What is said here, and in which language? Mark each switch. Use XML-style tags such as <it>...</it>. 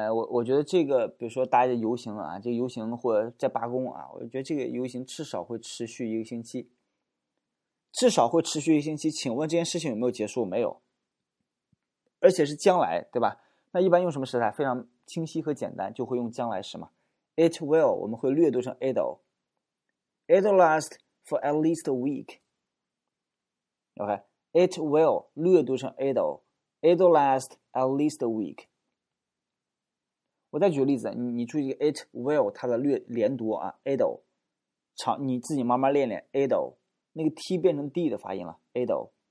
<zh>我觉得这个，比如说大家游行啊，这个游行或者在罢工啊，我觉得这个游行至少会持续一个星期，至少会持续一个星期。请问这件事情有没有结束？没有，而且是将来，对吧？那一般用什么时态？非常清晰和简单，就会用将来时嘛。 It will，我们会略读成 it'll。</zh> <en>It'll last for at least a week。 OK，it will</en> <zh>略读成</zh> <en>it'll。 It'll last at least a week。</en> <zh>我再举个例子，你注意这个 it will 它的连读啊，it'll，长你自己慢慢练练 it'll，那个 t 变成 d 的发音了 it'll。</zh>